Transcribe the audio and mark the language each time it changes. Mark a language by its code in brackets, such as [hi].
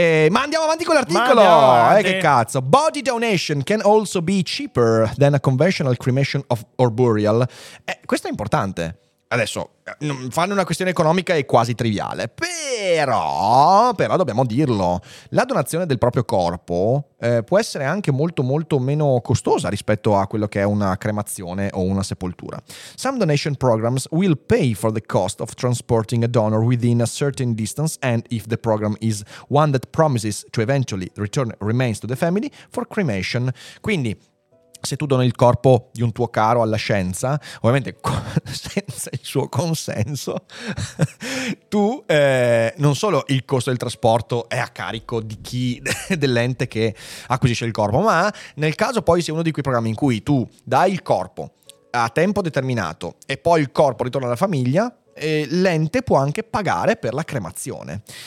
[it] Ma andiamo avanti con l'articolo, che cazzo. [en] Body donation can also be cheaper than a conventional cremation or burial. [it] Questo è importante. adesso, farne una questione economica è quasi triviale, però, dobbiamo dirlo, la donazione del proprio corpo può essere anche molto molto meno costosa rispetto a quello che è una cremazione o una sepoltura. [en] Some donation programs will pay for the cost of transporting a donor within a certain distance, and if the program is one that promises to eventually return remains to the family, for cremation. [it] Quindi, se tu doni il corpo di un tuo caro alla scienza, ovviamente senza il suo consenso, tu non solo il costo del trasporto è a carico di chi, dell'ente che acquisisce il corpo, ma nel caso poi sia uno di quei programmi in cui tu dai il corpo a tempo determinato e poi il corpo ritorna alla famiglia, l'ente può anche pagare per la cremazione.